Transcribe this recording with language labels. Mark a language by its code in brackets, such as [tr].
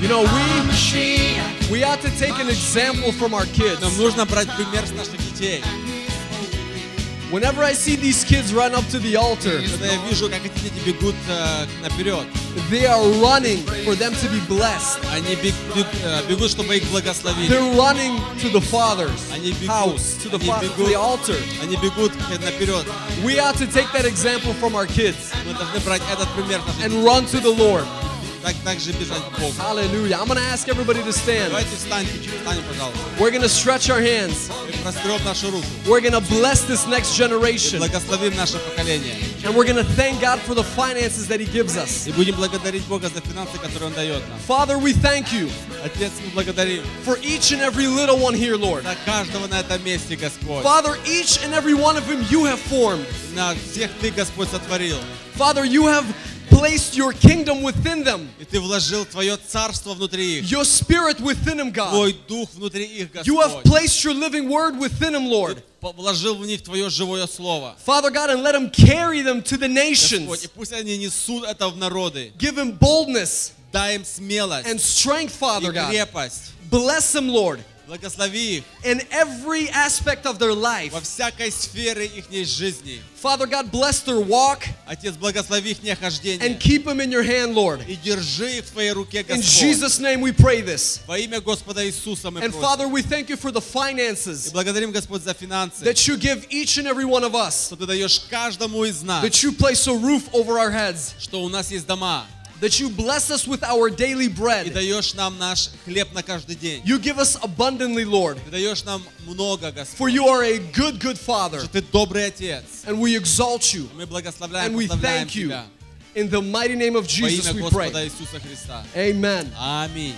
[en] you know, we have to take an example from our kids. [ru] Нам нужно брать пример с наших детей. [en] Whenever I see these kids run up to the altar, [ru] я вижу, как эти дети бегут наперед. [en] They are running for them to be blessed. [ru] Они бегут, чтобы их благословили. [en] They're running to the Father's house, to the altar. [ru] Они бегут наперед. [en] We ought to take that example from our kids. [ru] Мы должны брать этот пример. [en] And run to the Lord. [ru] Также бежать к Богу. [en] Hallelujah. I'm going to ask everybody to stand. [ru] Давайте встанем, пожалуйста. [en] We're going to stretch our hands. [ru] Простёрём наши руки. [en] We're going to bless this next generation. [ru] Благословим наше поколение. [en] And we're going to thank God for the finances that He gives us. [ru] И будем благодарить Бога за финансы, которые Он даёт нам. [en] Father, we thank You. [ru] Отец, мы благодарим. [en] For each and every little one here, Lord. [ru] За каждого на этом месте, Господь. [en] Father, each and every one of them You have formed. [ru] На всех Ты, Господь, сотворил. [en] Father, You have placed Your kingdom within them. [ru] И ты вложил твое царство внутри их. [en] Your spirit within them, God. [ru] Твой дух внутри их, Господь. [en] You have placed Your living word within them, Lord. [ru] Вложил в них твое живое слово. [en] Father God, and let them carry them to the nations. [ru] Господь, и пусть они несут это в народы. [en] Give them boldness. [ru] Дай им смелость. [en] And strength, Father God. [ru] И крепость. [en] Bless them, Lord. [ru] Благослови их. [en] In every aspect of their life. [ru] Во всякой сфере их жизни. [en] Father God, bless their walk. [ru] Отец, благослови их хождение. [en] And keep them in Your hand, Lord. [ru] И держи их в твоей руке, Господь. [en] In Jesus' name, we pray this. [ru] Во имя Господа Иисуса мы просим. [en] And Father, we thank You for the finances. [ru] И благодарим, Господь, за финансы. [en] That You give each and every one of us. [ru] Что ты даешь каждому из нас. [en] That You place a roof over our heads. [ru] Что у нас есть дома. [en] That You bless us with our daily bread. [ru] И даёшь нам наш хлеб на каждый день. [en] You give us abundantly, Lord. [ru] Ты даёшь нам много, Господь. [en] For You are a good, good Father. [ru] Что ты добрый отец. [en] And we exalt You. [ru] Мы благословляем, [en] and we thank You. [ru] Тебя. [en] In the mighty name of Jesus, [ru] во имя Господа [en] we pray. [ru] Иисуса Христа. [en] Amen. [ru] Аминь.